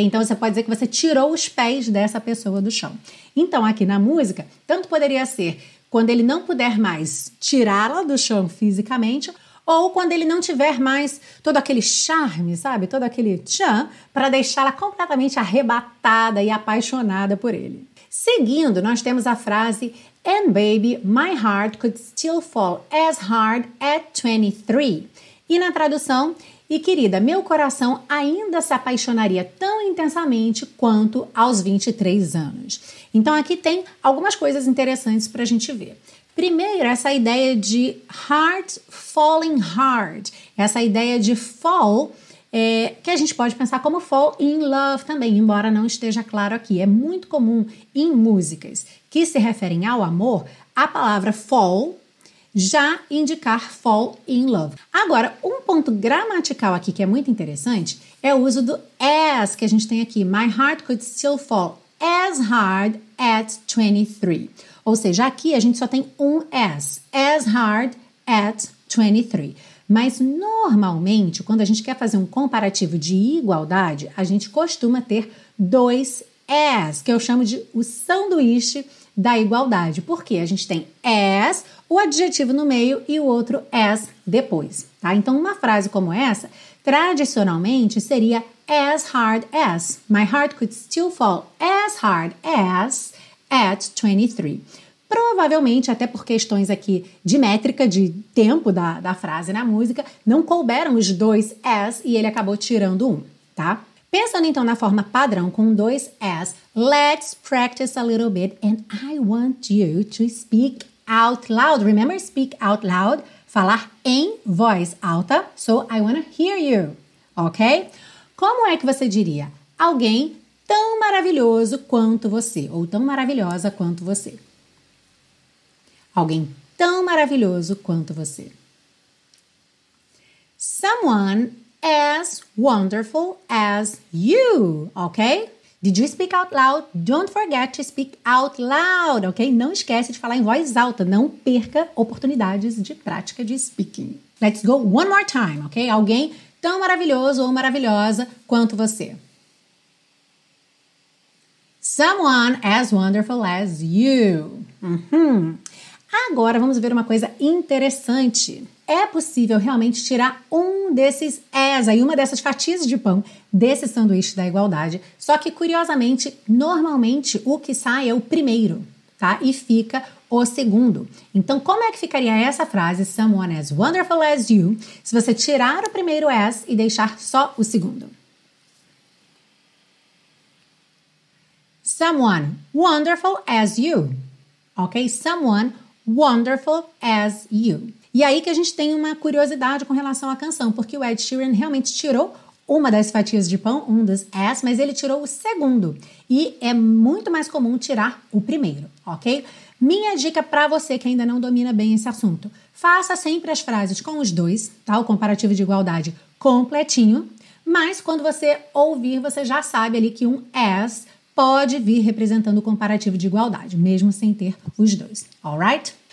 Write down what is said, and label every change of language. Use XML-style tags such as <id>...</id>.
<pt>Então você pode dizer que você tirou os pés dessa pessoa do chão. Então aqui na música, tanto poderia ser quando ele não puder mais tirá-la do chão fisicamente, ou quando ele não tiver mais todo aquele charme, sabe? Todo aquele tchan, para deixá-la completamente arrebatada e apaixonada por ele. Seguindo, nós temos a frase,</pt> <en>"And baby, my heart could still fall as hard at 23."</en> <pt>E na tradução, "E querida, meu coração ainda se apaixonaria tão intensamente quanto aos 23 anos. Então aqui tem algumas coisas interessantes para a gente ver. Primeiro, essa ideia de</pt> <en>heart falling hard.</en> <pt>Essa ideia de fall, que a gente pode pensar como</pt> <en>fall in love</en> <pt>também, embora não esteja claro aqui. É muito comum em músicas que se referem ao amor, a palavra fall já indicar</pt> <en>fall in love.</en> <pt>Agora, um ponto gramatical aqui que é muito interessante é o uso do as que a gente tem aqui.</pt> <en>My heart could still fall as hard at 23.</en> <pt>Ou seja, aqui a gente só tem um as hard at 23. Mas normalmente, quando a gente quer fazer um comparativo de igualdade, a gente costuma ter dois as, que eu chamo de o sanduíche da igualdade. Por quê? A gente tem as, o adjetivo no meio e o outro as depois, tá? Então, uma frase como essa, tradicionalmente, seria as hard as.</pt> <en>My heart could still fall as hard as at 23.</en> <pt>Provavelmente, até por questões aqui de métrica, de tempo da frase na música, não couberam os dois as e ele acabou tirando um, tá? Pensando então na forma padrão com dois as,</pt> <en>let's practice a little bit and I want you to speak out loud. Remember, speak out loud,</en> <pt>falar em voz alta,</pt> <en>so I want to hear you, ok?</en> <pt>Como é que você diria alguém tão maravilhoso quanto você ou tão maravilhosa quanto você? Alguém tão maravilhoso quanto você.</pt> <en>Someone as wonderful as you, ok? Did you speak out loud? Don't forget to speak out loud, ok?</en> <pt>Não esquece de falar em voz alta. Não perca oportunidades de prática de speaking.</pt> <en>Let's go one more time, ok?</en> <pt>Alguém tão maravilhoso ou maravilhosa quanto você.</pt> <en>Someone as wonderful as you. Uhum.</en> <pt>Agora vamos ver uma coisa interessante. É possível realmente tirar um desses as aí, uma dessas fatias de pão desse sanduíche da igualdade. Só que, curiosamente, normalmente o que sai é o primeiro, tá? E fica o segundo. Então, como é que ficaria essa frase,</pt> <en>someone as wonderful as you,</en> <pt>se você tirar o primeiro as e deixar só o segundo?</pt> <en>Someone wonderful as you. Ok? Someone wonderful as you.</en> <pt>E aí que a gente tem uma curiosidade com relação à canção, porque o Ed Sheeran realmente tirou uma das fatias de pão, um dos S, mas ele tirou o segundo. E é muito mais comum tirar o primeiro, ok? Minha dica para você que ainda não domina bem esse assunto, faça sempre as frases com os dois, tá? O comparativo de igualdade completinho, mas quando você ouvir, você já sabe ali que um S pode vir representando o comparativo de igualdade, mesmo sem ter os dois, alright?</pt>